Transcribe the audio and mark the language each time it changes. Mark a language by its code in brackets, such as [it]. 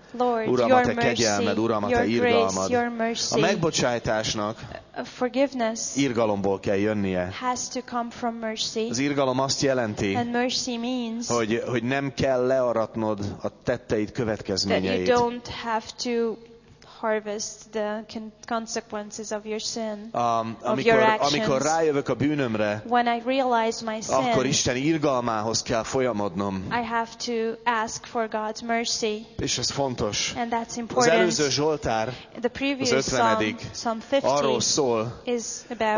[en] Lord, [hu] Uram, [en] your [hu] a te kegyelmed, Uram, [en] your [hu] a te irgalmad. [en] Grace, your mercy. [hu] A megbocsájtásnak [en] forgiveness [hu] irgalomból kell jönnie. [en] Has to come from mercy. [hu] Az irgalom azt jelenti, [en] and mercy means, [hu] hogy nem kell learatnod a tetteid következményeit. [en] That you don't have to harvest the consequences of your sin, [hu] amikor, [en] of your actions. [hu] Amikor rájövök a bűnömre, [en] when I realize my sin, [hu] akkor Isten irgalmához kell folyamodnom. [en] I have to ask for God's mercy. [hu] És ez fontos. [en] And that's important. [hu] Az előző Zsoltár, [en] the previous [hu] az 50. [en] Psalm 50, [hu] arról szól, [en] is about,